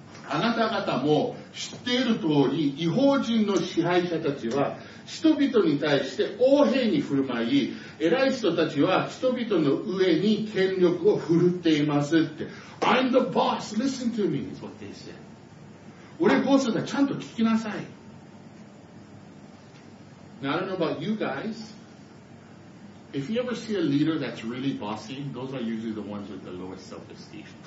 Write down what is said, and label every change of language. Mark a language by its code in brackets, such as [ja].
[ja] あなた方も知っている通り、異邦人の支配者たちは人々に対して横柄に振る舞い、偉い人たちは人々の上に権力を振るっていますって。 [en] I'm the boss, listen to me, is what they said. [ja] 俺ボスだ、ちゃんと聞きなさい。 [en] Now, I don't know about you guys. If you ever see a leader that's really bossy, those are usually the ones with the lowest self-esteem.